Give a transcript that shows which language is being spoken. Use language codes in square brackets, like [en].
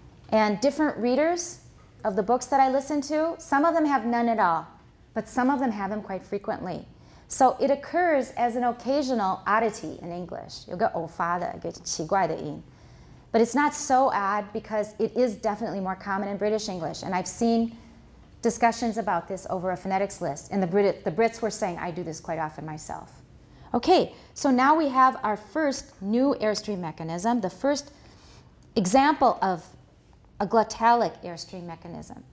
[en] And different readers of the books that I listen to, some of them have none at all, but some of them have them quite frequently. So it occurs as an occasional oddity in English. [zh] 有个偶发的,有个奇怪的音. [en] But it's not so odd because it is definitely more common in British English. And I've seen discussions about this over a phonetics list. And the Brits were saying, I do this quite often myself. Okay, so now we have our first new airstream mechanism, the first example of a glottalic airstream mechanism.